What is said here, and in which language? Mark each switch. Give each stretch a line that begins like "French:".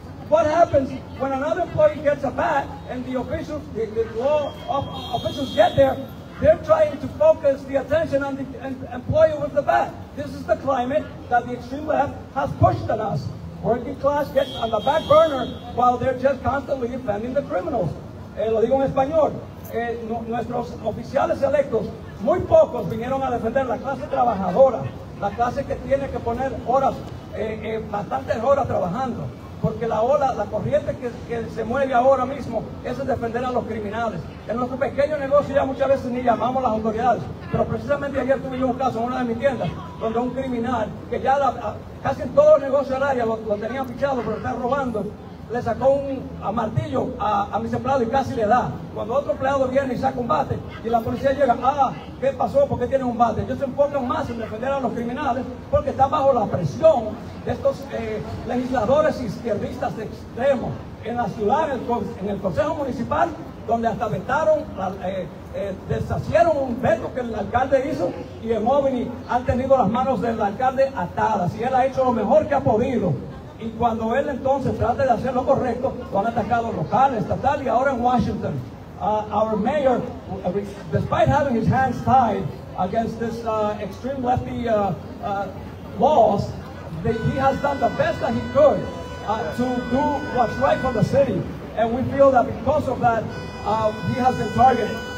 English: What happens when another employee gets a bat and the law officials get there? They're trying to focus the attention on the employee with the bat. This is the climate that the extreme left has pushed on us. Working class gets on the back burner while they're just constantly defending the criminals.
Spanish: Lo digo en español. Nuestros oficiales electos, muy pocos vinieron a defender la clase trabajadora, la clase que tiene que poner horas, bastantes horas trabajando. Porque la ola, la corriente que se mueve ahora mismo es defender a los criminales. En nuestro pequeño negocio ya muchas veces ni llamamos a las autoridades. Pero precisamente ayer tuve un caso en una de mis tiendas donde un criminal, que ya casi en todo el negocio del área lo tenían fichado por estar robando, le sacó un martillo a mis empleados y casi le da. Cuando otro empleado viene y saca un bate y la policía llega, ah, ¿qué pasó? ¿Por qué tienen un bate? Ellos se enfocan más en defender a los criminales porque están bajo la presión de estos legisladores izquierdistas extremos en la ciudad, en el Consejo Municipal, donde hasta vetaron, deshacieron un veto que el alcalde hizo, y en OVNI han tenido las manos del alcalde atadas, y él ha hecho lo mejor que ha podido. Y cuando él entonces trata de hacer lo correcto, lo han atacado local, estatal y ahora en Washington.
English: Our mayor, despite having his hands tied against this extreme lefty laws, he has done the best that he could to do what's right for the city. And we feel that because of that, he has been targeted.